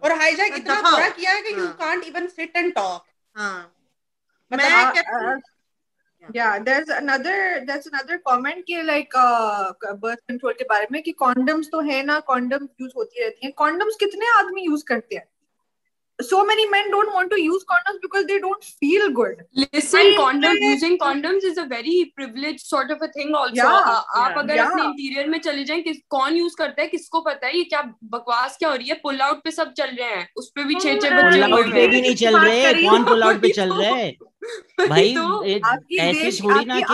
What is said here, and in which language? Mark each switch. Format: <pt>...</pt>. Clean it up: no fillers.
<hi>और हाईजैक इतना बुरा किया है कि</hi> <en>you can't even sit and talk.</en> <hi>हाँ,</hi> <en>yeah, there's another comment</en> <hi>कि like birth control के बारे में कि condoms तो है ना, condoms use होती रहती हैं. Condoms कितने आदमी use करते हैं?</hi> <en>So many men don't want to use condoms because they don't feel good. Listen, using condoms is a very privileged sort of a thing also.</en> <hi>Yeah, आप अगर अपने इंटीरियर में चले जाएं, कौन यूज करता है, किसको पता है ये क्या बकवास क्या हो रही है? पुल आउट पे सब चल रहे हैं, उस पे भी छह छह बच्चे, पुल आउट पे भी नहीं चल रहे, कौन पुल आउट पे चल रहे है भाई? तो ऐसे थोड़ी ना कि</hi>